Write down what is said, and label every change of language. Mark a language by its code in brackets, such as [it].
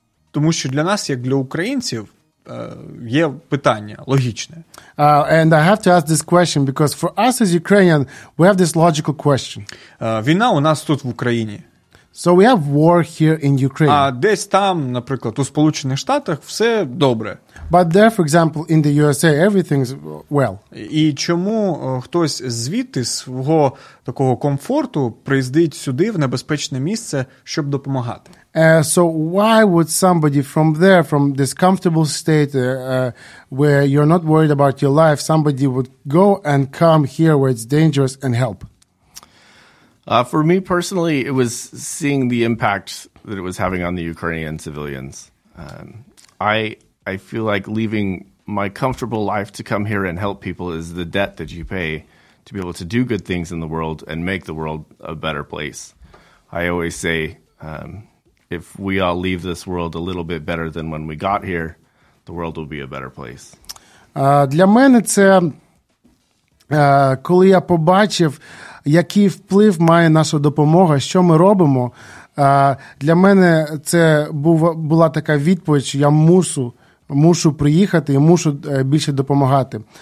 [uk] Тому що для нас, як для українців, є питання логічне. [en] And I have to ask this question because for us as Ukrainian, we have this logical question. [uk] Війна у нас тут в Україні. [en] So we have war here in Ukraine. [uk] А десь там, наприклад, у Сполучених Штатах все добре. [en] But there, for example, in the USA, everything's well. [uk] І чому хтось звідти, свого такого комфорту, приїздить сюди, в небезпечне місце, щоб допомагати? [en] So why would somebody from there, from this comfortable state where you're not worried about your life, somebody would go and come here where it's dangerous and help? For me personally, it was seeing the impact that it was having on the Ukrainian civilians. I feel like leaving my comfortable life to come here and help people is the debt that you pay to be able to do good things in the world and make the world a better place. I always say... if we all leave this world a little bit better than when we got here, the world will be a better place. [uk] Для мене це, коли я побачив, який вплив має наша допомога, що ми робимо, для мене це була така відповідь, що я мушу приїхати і мушу більше допомагати.